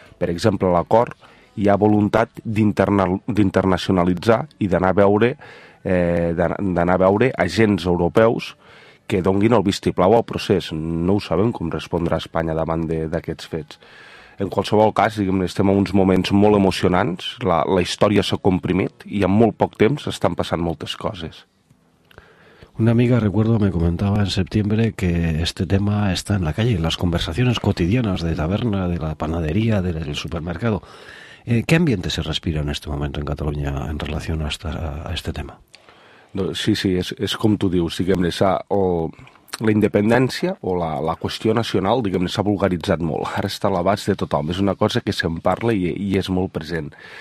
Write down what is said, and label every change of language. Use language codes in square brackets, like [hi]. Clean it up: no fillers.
[ca] Per exemple, l'acord, hi ha voluntat d'internacionalitzar i d'anar a veure agents europeus que donguin el vistiplau al procés. No ho sabem com respondrà Espanya davant d'aquests fets. En qualsevol cas, diguem-ne, estem en uns moments molt emocionants, la història s'ha comprimit i en molt poc temps estan passant moltes coses. [es] Una amiga, recuerdo, me comentaba en septiembre que este tema está en la calle, en las conversaciones cotidianas de taberna, de la panadería, del supermercado. ¿Qué ambiente se respira en este momento en Cataluña en relación a este tema? [ca] Sí, sí, és com tu dius, diguem-ne, la independència o la qüestió nacional, diguem-ne, s'ha vulgaritzat molt. Ara està a l'abast de tothom, és una cosa que se'n parla i és molt present.